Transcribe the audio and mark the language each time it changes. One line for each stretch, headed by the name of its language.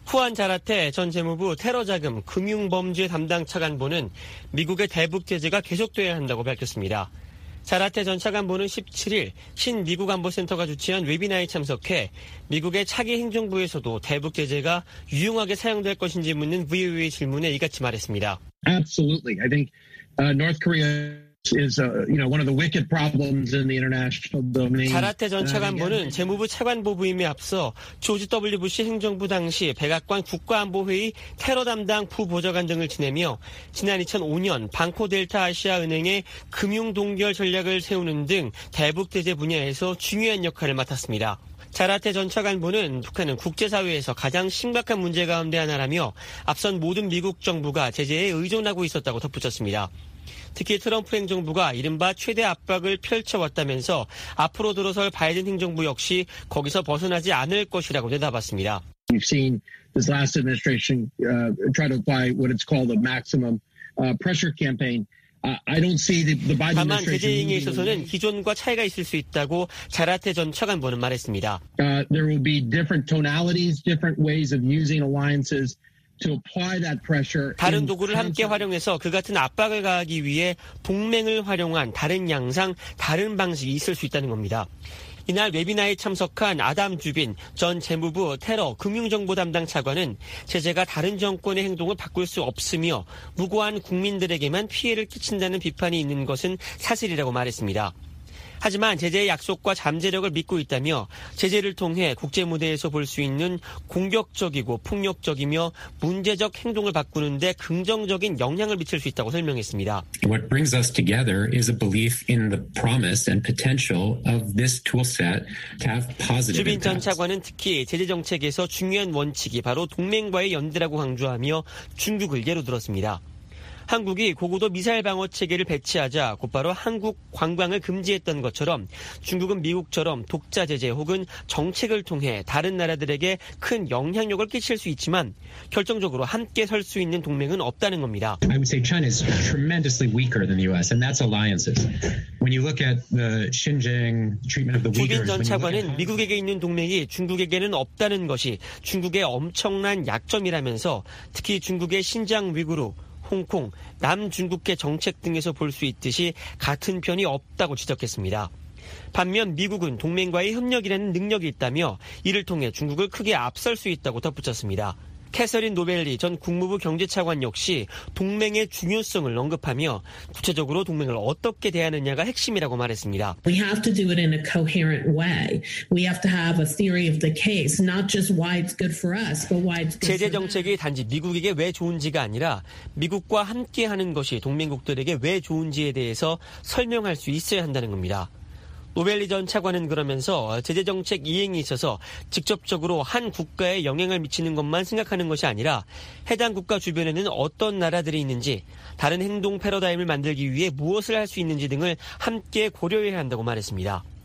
Korean: 후안 자라테 전 재무부 테러자금 금융범죄 담당 차관보는 미국의 대북 제재가 계속돼야 한다고 밝혔습니다. 자라테 전 차관보는 17일 신미국 안보센터가 주최한 웨비나에 참석해 미국의 차기 행정부에서도 대북 제재가 유용하게 사용될 것인지 묻는 VOA 질문에 이같이 말했습니다.
English: Absolutely. I think North Korea is one of the wicked problems in the international domain.
Korean: 자라테 전 차관보는 재무부 차관보부임에 앞서 조지 W. 부시 행정부 당시 백악관 국가안보회의 테러 담당 부보좌관 등을 지내며 지난 2005년 방코 델타 아시아 은행의 금융 동결 전략을 세우는 등 대북 제재 분야에서 중요한 역할을 맡았습니다. 자라테 전 차관보는 북한은 국제사회에서 가장 심각한 문제 가운데 하나라며 앞선 모든 미국 정부가 제재에 의존하고 있었다고 덧붙였습니다. 특히 트럼프 행정부가 이른바 최대 압박을 펼쳐왔다면서 앞으로 들어설 바이든 행정부 역시 거기서 벗어나지 않을 것이라고 내다봤습니다.
English: We've seen this last administration try to apply what it's called a maximum pressure campaign. I don't see the Biden administration.
Korean: 다만 제재 이행에 있어서는 기존과 차이가 있을 수 있다고 자라테 전 차관보는 말했습니다.
English: There will be different tonalities, different ways of using alliances. To apply that pressure.
Korean: 다른 도구를 함께 활용해서 그 같은 압박을 가하기 위해 동맹을 활용한 다른 양상, 다른 방식이 있을 수 있다는 겁니다. 이날 웨비나에 참석한 아담 주빈 전 재무부 테러 금융정보 담당 차관은 제재가 다른 정권의 행동을 바꿀 수 없으며 무고한 국민들에게만 피해를 끼친다는 비판이 있는 것은 사실이라고 말했습니다. 하지만 제재의 약속과 잠재력을 믿고 있다며 제재를 통해 국제무대에서 볼 수 있는 공격적이고 폭력적이며 문제적 행동을 바꾸는 데 긍정적인 영향을 미칠 수 있다고 설명했습니다.
English: What brings us together is a belief in the promise and potential of this toolset to have positive.
Korean: 주빈 전 차관은 특히 제재 정책에서 중요한 원칙이 바로 동맹과의 연대라고 강조하며 중국을 예로 들었습니다. 한국이 고고도 미사일 방어 체계를 배치하자 곧바로 한국 관광을 금지했던 것처럼 중국은 미국처럼 독자 제재 혹은 정책을 통해 다른 나라들에게 큰 영향력을 끼칠 수 있지만 결정적으로 함께 설 수 있는 동맹은 없다는 겁니다.
English: I would say China is tremendously weaker than the U.S. and that's alliances. When you look at the Xinjiang treatment of the Uyghurs,
Korean: 주빈 전 차관은 미국에게 있는 동맹이 중국에게는 없다는 것이 중국의 엄청난 약점이라면서 특히 중국의 신장 위구르 홍콩, 남중국해 정책 등에서 볼 수 있듯이 같은 편이 없다고 지적했습니다. 반면 미국은 동맹과의 협력이라는 능력이 있다며 이를 통해 중국을 크게 앞설 수 있다고 덧붙였습니다. 캐서린 노벨리 전 국무부 경제차관 역시 동맹의 중요성을 언급하며 구체적으로 동맹을 어떻게 대하느냐가 핵심이라고 말했습니다.
English: We have to do it in a coherent way. We have to have a theory of the case, not just why it's good for us, but why it's good for them.
Korean: 제재 정책이 단지 미국에게 왜 좋은지가 아니라 미국과 함께하는 것이 동맹국들에게 왜 좋은지에 대해서 설명할 수 있어야 한다는 겁니다. 노벨리 전 차관은 그러면서 제재 정책 이행이 있어서 직접적으로 한 국가에 영향을 미치는 것만 생각하는 것이 아니라 해당 국가 주변에는 어떤 나라들이 있는지, 다른 행동 패러다임을 만들기 위해 무엇을 할 수 있는지 등을 함께 고려해야 한다고 말했습니다.